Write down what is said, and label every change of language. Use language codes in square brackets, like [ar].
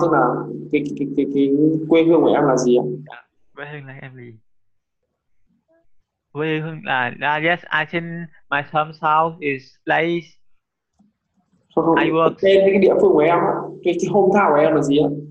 [vi] Tức là cái quê hương của em là gì ạ? Quê hương là em gì? Quê hương là, [en] yes, I think my hometown is place. I work. [vi] Tên cái địa phương của em, cái hometown của em là gì ạ?